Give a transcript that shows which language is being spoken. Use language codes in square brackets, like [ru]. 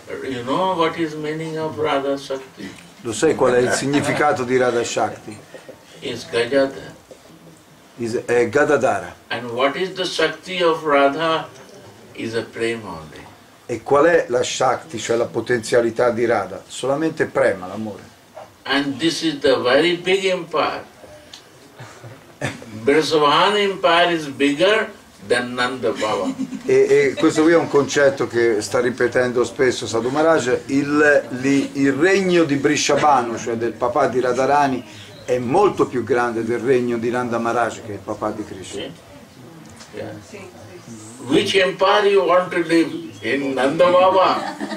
[en] You know what is meaning of Radha Shakti? [it] Lo sai qual è il significato di Radha Shakti? [en] Is Gajadhara. Is Gadadhara. And what is the Shakti of Radha? Is a prema only. [it] E qual è la Shakti, cioè la potenzialità di Radha? Solamente prema, l'amore. [en] And this is the very big empire. Vrishabhan empire is bigger than Nanda Baba. [it] E questo qui è un concetto che sta ripetendo spesso Sadhu Maharaj. Il regno di Vrishabhano, cioè del papà di Radharani, è molto più grande del regno di Nanda Maharaj, che è il papà di Krishna. [en] Yeah. Yeah. Which empire you want to live in, Nanda Baba?